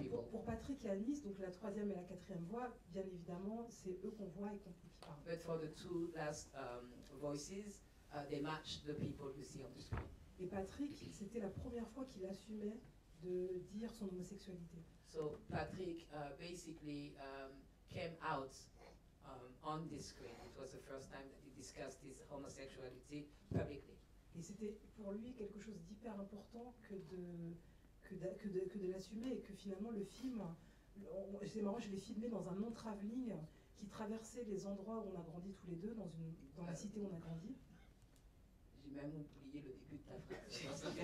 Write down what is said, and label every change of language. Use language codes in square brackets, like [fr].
[fr] Pour Patrick et Alice, donc la troisième et la quatrième voix, bien évidemment, c'est eux qu'on voit et qu'on peut parler. [en] But for the two last voices, they match the people you see on the screen. [fr] Et Patrick, c'était la première fois qu'il assumait de dire son homosexualité. [en] So Patrick basically came out on this screen. It was the first time that he discussed his homosexuality publicly. [fr] Et c'était pour lui quelque chose d'hyper important que de l'assumer et que finalement le film, c'est marrant, je l'ai filmé dans un non-travelling qui traversait les endroits où on a grandi tous les deux, dans la cité où on a grandi. J'ai même oublié le début de ta phrase.